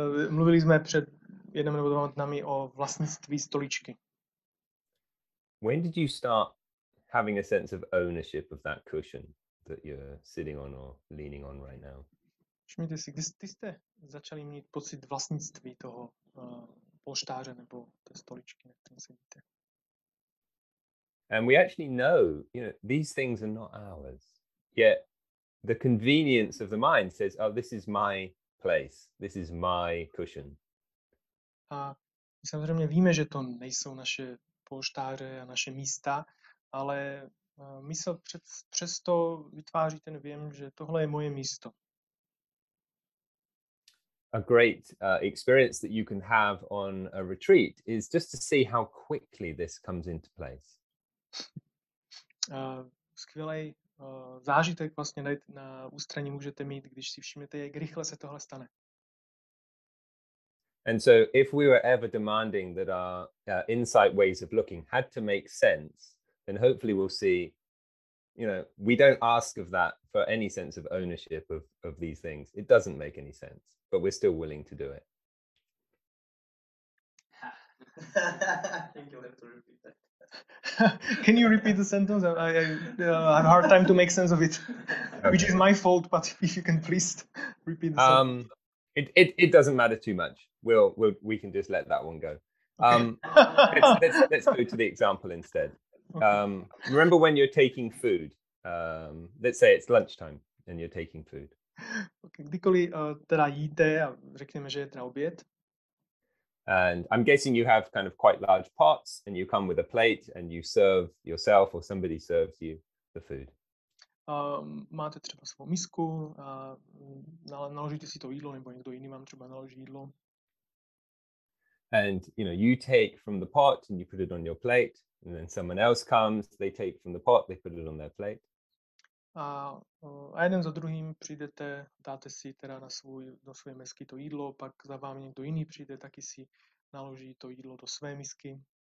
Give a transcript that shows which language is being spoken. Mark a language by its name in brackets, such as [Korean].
[Czech] Mluvili jsme před jednou nebo dvěma dny o vlastnictví stoličky. [English] When did you start having a sense of ownership of that cushion that you're sitting on or leaning on right now? [Czech] Všimněte si, kdy jste začali mít pocit vlastnictví toho polštáře nebo té stoličky, na které sedíte? [English] And we actually know, you know, these things are not ours. Yet the convenience of the mind says, oh, this is my place. This is my cushion. [Czech] A samozřejmě víme, že to nejsou naše polštáře a naše místa, ale mysl přesto vytváří ten vjem, že tohle je moje místo. [English] A great experience that you can have on a retreat is just to see how quickly this comes into place. [Czech] Skvělej zážitek vlastně na ústraní můžete mít, když si všimnete, jak rychle se tohle stane. [English] And so if we were ever demanding that our insight ways of looking had to make sense, then hopefully we'll see you know, we don't ask of that for any sense of ownership of these things. It doesn't make any sense, but we're still willing to do it. I think you'll have to repeat that. Can you repeat the sentence? I had a hard time to make sense of it, okay. Which is my fault, but if you can please repeat the sentence. It doesn't matter too much. We can just let that one go. Okay. let's go to the example instead. Okay. Remember when you're taking food? Let's say it's lunchtime and you're taking food. Okay. [Czech] Kdykoliv teda jíte a řekněme, že je teda oběd. [English] And I'm guessing you have kind of quite large pots and you come with a plate and you serve yourself or somebody serves you the food. [Czech] Máte třeba svou misku, naložíte si to jídlo, nebo někdo jiný vám třeba naloží jídlo. [English] And, you know, you take from the pot and you put it on your plate, and then someone else comes, they take from the pot, they put it on their plate. [Czech] A jeden za druhým přijdete, dáte si teda do své misky to jídlo, pak za vámi někdo jiný přijde, taky si naloží to jídlo do své misky.